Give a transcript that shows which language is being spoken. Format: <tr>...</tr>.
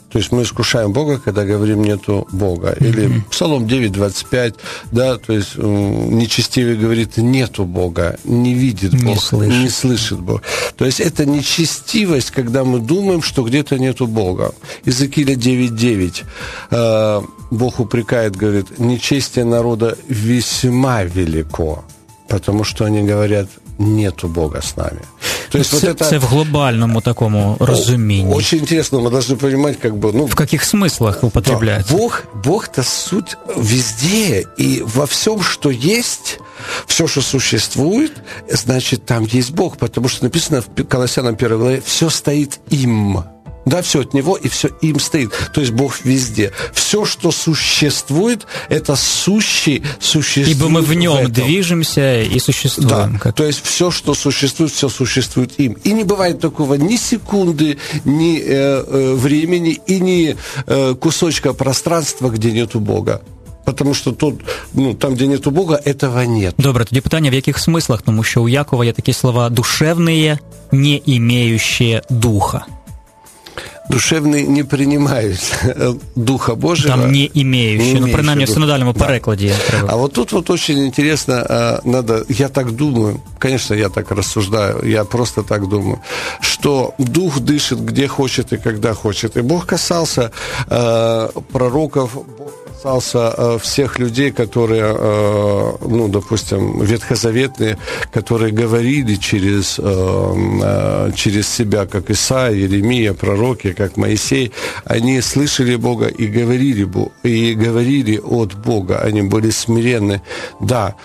<ru>То есть мы искушаем Бога, когда говорим, нету Бога. Или Псалом 9:25, да, то есть нечестивый говорит, нету Бога, не видит Бога, не слышит Бога. То есть это нечестивость, когда мы думаем, что где-то нету Бога. Иезекииля 9:9, Бог упрекает, говорит, нечестие народа весьма велико. Потому что они говорят, нету Бога с нами. То есть вот это</ru> <uk>в глобальному такому розумінні.</uk> <ru>Очень интересно, мы должны понимать, как бы, ну, в каких смыслах употребляется. Да, Бог-то суть везде, и во всем, что есть, все, что существует, значит, там есть Бог, потому что написано в Колоссянам 1 главе, все стоит им. Да, все от него, и все им стоит. То есть Бог везде. Все, что существует, это существует. Ибо мы в нем движемся и существуем. Да, то есть все, что существует, все существует им. И не бывает такого ни секунды, ни времени, и ни кусочка пространства, где нету Бога. Потому что тут, ну, там, где нету Бога, этого нет.</ru> <uk>Добре, тоді питання, в яких смислах? Тому що у Якова є такі слова</uk> <ru>«душевные, не имеющие духа».</ru> <uk>Душевний не приймає Духа Божого. Там не імеючи, ну, принаймні, в синодальному перекладі.</uk> <ru>Да. А от тут вот очень интересно, надо, я так думаю, конечно, я так рассуждаю, я просто так думаю, что Дух дышит где хочет и когда хочет. И Бог касался пророков, Бог касался всех людей, которые, ну, допустим, ветхозаветные, которые говорили через, через себя, как Исаия, Иеремия, пророки, как Моисей, они слышали Бога и говорили от Бога, они были смиренны, да.</ru>